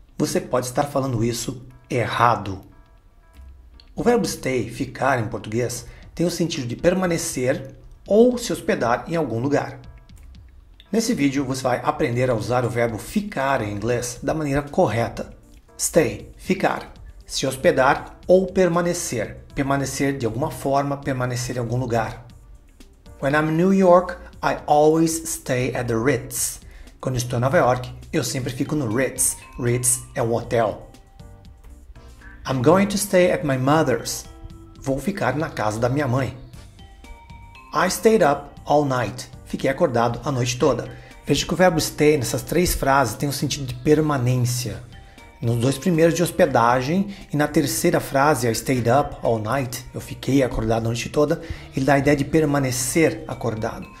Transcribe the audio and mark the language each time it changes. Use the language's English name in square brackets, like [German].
[Portuguese] Você pode estar falando isso errado. O verbo stay, ficar em português, tem o sentido de permanecer ou se hospedar em algum lugar. Nesse vídeo, você vai aprender a usar o verbo ficar em inglês da maneira correta. Stay, ficar, se hospedar ou permanecer. Permanecer de alguma forma, permanecer em algum lugar. [English] When I'm in New York, I always stay at the Ritz. [Portuguese] Quando estou em Nova York, eu sempre fico no Ritz. Ritz é um hotel. [English] I'm going to stay at my mother's. [Portuguese] Vou ficar na casa da minha mãe. [English] I stayed up all night. [Portuguese] Fiquei acordado a noite toda. Veja que o verbo stay nessas três frases tem o sentido de permanência. Nos dois primeiros de hospedagem e na terceira frase, [English] I stayed up all night, [Portuguese] eu fiquei acordado a noite toda, ele dá a ideia de permanecer acordado.